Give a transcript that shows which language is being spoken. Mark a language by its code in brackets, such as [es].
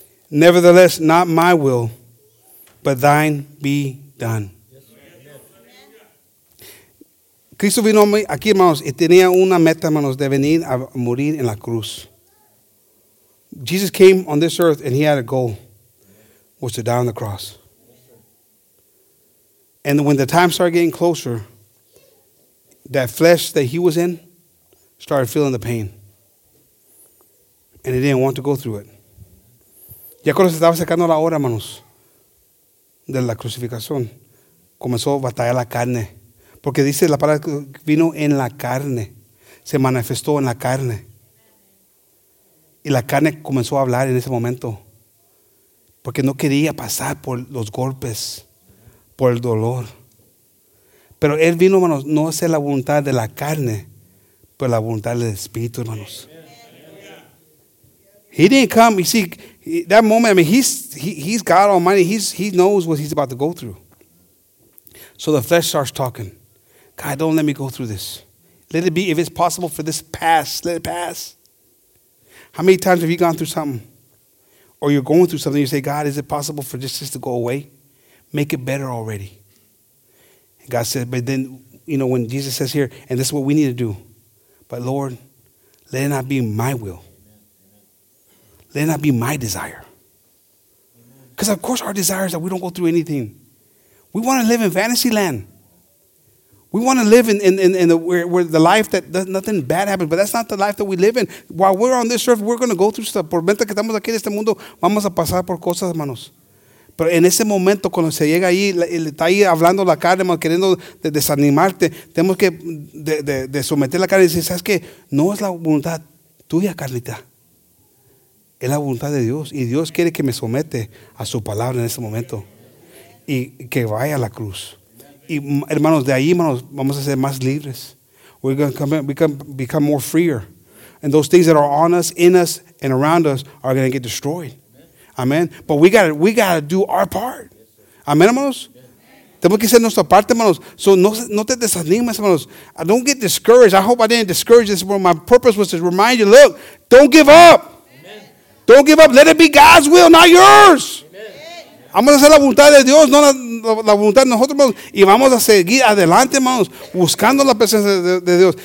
[en] Nevertheless, not my will, but thine be done. [es] Cristo vino aquí, hermanos, y tenía una meta, hermanos, de venir a morir en la cruz. [en] Jesus came on this earth and he had a goal, was to die on the cross. And when the time started getting closer, that flesh that he was in started feeling the pain. And he didn't want to go through it. [es] Ya cuando se estaba sacando la hora, hermanos, de la crucificación, comenzó a batallar la carne. Porque dice la palabra que vino en la carne, se manifestó en la carne. Y la carne comenzó a hablar en ese momento. Porque no quería pasar por los golpes, por el dolor. Pero él vino, hermanos, no a hacer la voluntad de la carne, pero la voluntad del Espíritu, hermanos. [en] He didn't come. You see, that moment, I mean, he's God Almighty. He knows what he's about to go through. So the flesh starts talking. God, don't let me go through this. Let it be, if it's possible for this pass, let it pass. How many times have you gone through something? Or you're going through something, you say, God, is it possible for this to go away? Make it better already. And God said, but then, you know, when Jesus says here, and this is what we need to do. But Lord, let it not be my will. Let it not be my desire. Because of course our desire is that we don't go through anything. We want to live in fantasy land. We want to live in the where the life that nothing bad happens, but that's not the life that we live in. While we're on this earth, we're going to go through stuff. [es] Por mientras que estamos aquí en este mundo, vamos a pasar por cosas, hermanos. Pero en ese momento, cuando se llega ahí, está ahí hablando la carne, queriendo desanimarte, tenemos que de someter la carne y decir, ¿sabes qué? No es la voluntad tuya, Carlita. Es la voluntad de Dios. Y Dios quiere que me somete a su palabra en ese momento. Y que vaya a la cruz. Y hermanos, de ahí, hermanos, vamos a ser más libres. [en] We're going to become more freer. And those things that are on us, in us, and around us are going to get destroyed. Amen. But we gotta do our part. Amen, hermanos. [es] Tenemos que hacer nuestra parte, hermanos. So no te desanimes, hermanos. [en] Don't get discouraged. I hope I didn't discourage this. My purpose was to remind you, look, don't give up. Amen. Don't give up. Let it be God's will, not yours. [es] Vamos a hacer la voluntad de Dios, no la voluntad de nosotros, hermanos. Y vamos a seguir adelante, hermanos, buscando la presencia de Dios.